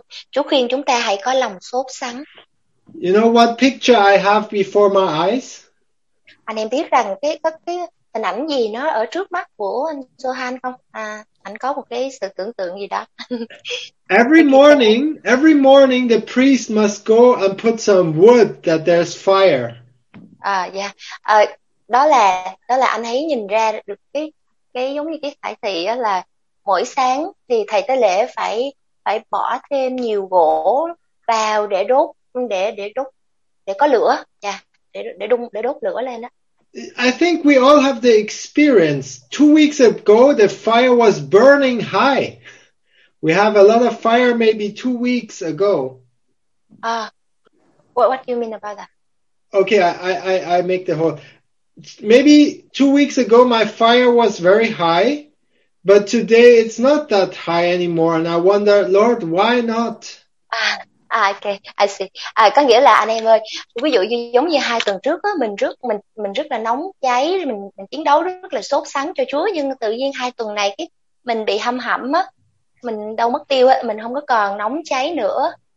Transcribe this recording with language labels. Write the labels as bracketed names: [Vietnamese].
[Vietnamese] Chúa khuyên chúng ta hãy có lòng sốt sắng. [English] You know what picture I have before my eyes? [Vietnamese] Anh em biết rằng cái hình ảnh gì nó ở trước mắt của anh Johan không? Anh có một cái sự tưởng tượng gì đó. [English] Every morning the priest must go and put some wood that there's fire. [Vietnamese] Đó là anh ấy nhìn ra được cái giống như cái khải thị á, là mỗi sáng thì thầy tế lễ phải bỏ thêm nhiều gỗ vào để đốt để có lửa. Để đốt lửa lên á. [English] I think we all have the experience. 2 weeks ago, the fire was burning high. We have a lot of fire maybe 2 weeks ago. What do you mean about that? Okay, I make the whole. Maybe 2 weeks ago, my fire was very high. But today, it's not that high anymore. And I wonder, Lord, why not? Okay, I see. [Vietnamese] Có nghĩa là anh em ơi, ví dụ như giống như hai tuần trước á, mình rất là nóng cháy, mình chiến đấu rất là sốt sắng cho Chúa, nhưng tự nhiên hai tuần này cái mình bị hâm hẩm á, mình đâu mất tiêu á, mình không có còn nóng cháy nữa.